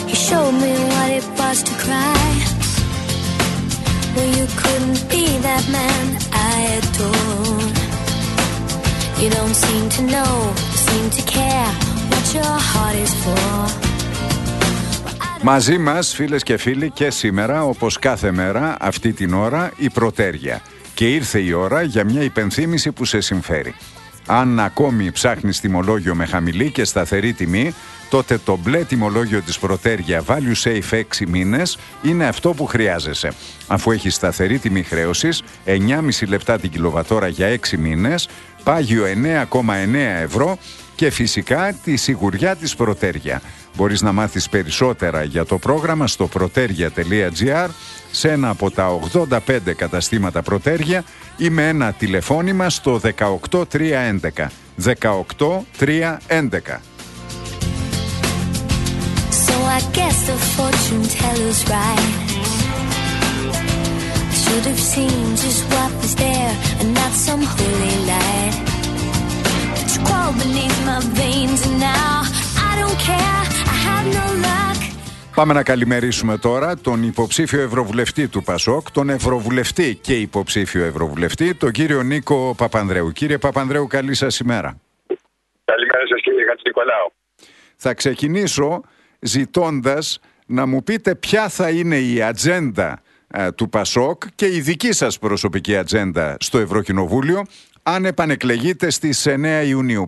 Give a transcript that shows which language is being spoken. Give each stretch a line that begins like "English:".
English: Show me what it was to cry. Well, you couldn't be that man I adored. You don't seem to know, seem to care what your heart is for.
Greek: Μαζί μας, φίλες και φίλοι, και σήμερα, όπως κάθε μέρα, αυτή την ώρα, η Πρωτέρια. Και ήρθε η ώρα για μια υπενθύμηση που σε συμφέρει. Αν ακόμη ψάχνεις τιμολόγιο με χαμηλή και σταθερή τιμή, τότε το μπλε τιμολόγιο της Πρωτέρια Value Safe 6 μήνες είναι αυτό που χρειάζεσαι. Αφού έχει σταθερή τιμή χρέωσης, 9,5 λεπτά την κιλοβατόρα για 6 μήνες, πάγιο 9,9 ευρώ και φυσικά τη σιγουριά της Πρωτέρια. Μπορείς να μάθεις περισσότερα για το πρόγραμμα στο protergia.gr, σε ένα από τα 85 καταστήματα Πρωτέρια ή με ένα τηλεφώνημα στο 18311. 18311.
English: I guess the fortune teller's right. I should have seen just what was there and not some holy light. It's crawled beneath my veins and now I don't care, I have no luck.
Greek: Πάμε να καλημερίσουμε τώρα τον υποψήφιο ευρωβουλευτή του ΠΑΣΟΚ, τον ευρωβουλευτή και υποψήφιο ευρωβουλευτή, τον κύριο Νίκο Παπανδρέου. Κύριε Παπανδρέου, καλή σας ημέρα. Καλημέρα σας, κύριε Χατζηνικολάου. Θα ξεκινήσω ζητώντας να μου πείτε ποια θα είναι η ατζέντα του ΠΑΣΟΚ και η δική σας προσωπική ατζέντα στο Ευρωκοινοβούλιο αν επανεκλεγείτε στις 9 Ιουνίου.